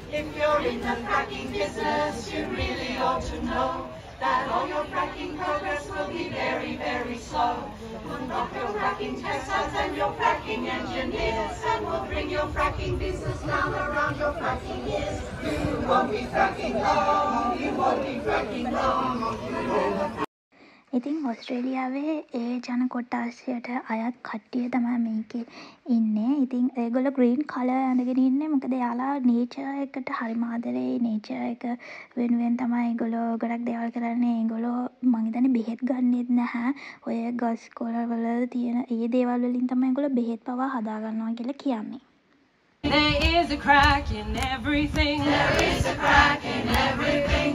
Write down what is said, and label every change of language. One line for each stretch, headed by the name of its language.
English: If you're in the fracking business, you really ought to know that all your fracking progress will be very, very slow. Put off your fracking testers and your fracking engineers, and we'll bring your fracking business down around your fracking ears. You won't be fracking long, you won't be fracking long.
Sinhala: ඉතින් ඔස්ට්‍රේලියාවේ ඒ ජන කොට්ටාසයට අයත් කට්ටිය තමයි මේකේ ඉන්නේ. ඉතින් ඒගොල්ලෝ green colour ඇඳගෙන ඉන්නේ මොකද යාලා නේචර් එකට හරි මාදරේ. නේචර් එක වෙනුවෙන් තමයි ඒගොල්ලෝ ගොඩක් දේවල් කරන්නේ. ඒගොල්ලෝ මං හිතන්නේ බෙහෙත් ගන්නෙත් නැහැ. ඔය ගස් කොළ වල තියෙන ඒ දේවල් වලින් තමයි ඒගොල්ලෝ බෙහෙත් පවා හදා ගන්නවා කියලා කියන්නේ.
English: There is a crack in everything. There is a crack in everything.